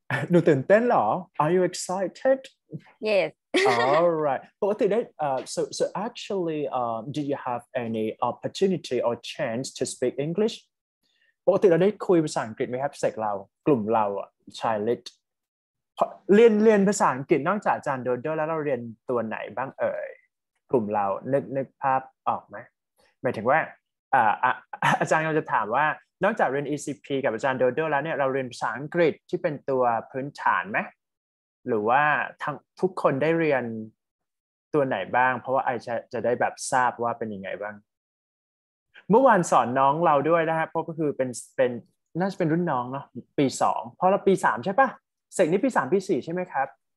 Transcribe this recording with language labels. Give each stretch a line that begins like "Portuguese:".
Thai: หนูตื่นเต้นหรอ
English: Are you excited? Yes. All right. But what did it, so actually, do you have any opportunity or chance to speak English?
Thai: ปกติเราได้คุยภาษาอังกฤษไหมครับเซกเรากลุ่มเราอะชายลิตเรียนภาษาอังกฤษนอกจากอาจารย์โดโดแล้วเราเรียนตัวไหนบ้างเอ่ยกลุ่มเรานึกภาพออกไหมหมายถึงว่า อาจารย์เราจะถามว่านอกจากเรียน ECP กับอาจารย์โดโดแล้วเนี่ยเราเรียนภาษาอังกฤษที่เป็นตัวพื้นฐานไหมหรือว่าทุกคนได้เรียนตัวไหนบ้างเพราะว่าไอจะได้แบบทราบว่าเป็นยังไงบ้างเมื่อวานสอนน้องเราด้วยนะฮะเพราะก็คือเป็นน่าจะเป็นรุ่นน้องเนาะปี2พอเราปี3ใช่ป่ะเสกนี่ปี3ปี4ใช่ไหมครับ